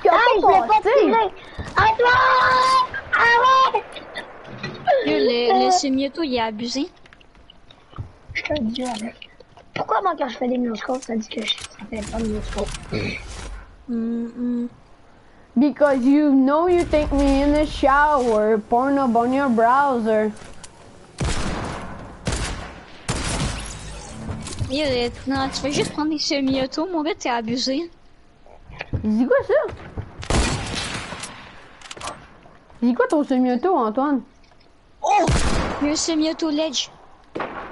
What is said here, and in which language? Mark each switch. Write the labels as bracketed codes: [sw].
[fr] pion? Ah, je l'ai pas tiré! À toi! Arrête! Le semi-auto, il est abusé. Je te dis, avec. Pourquoi moi, quand je fais des mini-scopes, ça dit que je ne fais pas de mini-scopes? [en] Because you know you take me in the shower, porn up on your browser. [fr] Non, tu veux juste prendre des semi-auto, mon gars, t'es abusé. Dis quoi ça? Dis quoi ton semi-auto, Antoine? Oh! Il y a un semi-auto ledge. Hein?